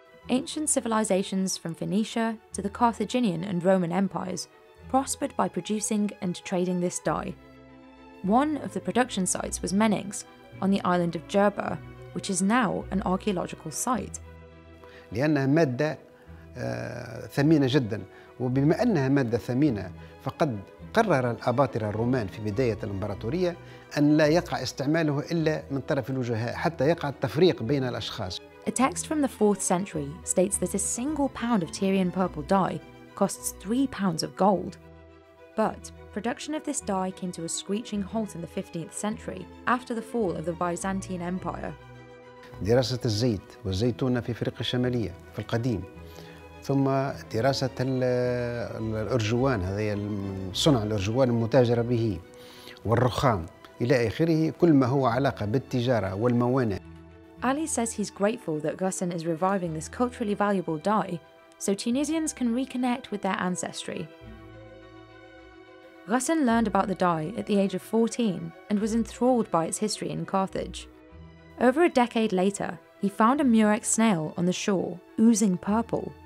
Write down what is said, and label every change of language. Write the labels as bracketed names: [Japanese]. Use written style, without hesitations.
[English] Ancient civilizations from Phoenicia to the Carthaginian and Roman empires prospered by producing and trading this dye. One of the production sites was Menix on the island of Gerba, which is now an archaeological site. [Arabic] لأنها مادة ثمينة جدا وبما أنها مادة ثمينة فقد قرر الأباطرة الرومان في بداية الإمبراطورية أن لا يقع استعماله إلا من طرف الوجهاء حتى يقع التفريق بين الأشخاص. [English] A text from the 4th century states that a single pound of Tyrian purple dye costs 3 pounds of gold. But production of this dye came to a screeching halt in the 15th century after the fall of the Byzantine Empire. [Arabic] دراسة الزيت والزيتونة في أفريقيا الشمالية في القديم ثم دراسة الأرجوان هذه صنع الأرجوان المتاجرة به والرخام إلى آخره كل ما هو علاقة بالتجارة والموانئ. [English] Ali says he's grateful that Ghassan is reviving this culturally valuable dye so Tunisians can reconnect with their ancestry. Ghassan learned about the dye at the age of 14 and was enthralled by its history in Carthage. Over a decade later, he found a Murex snail on the shore, oozing purple.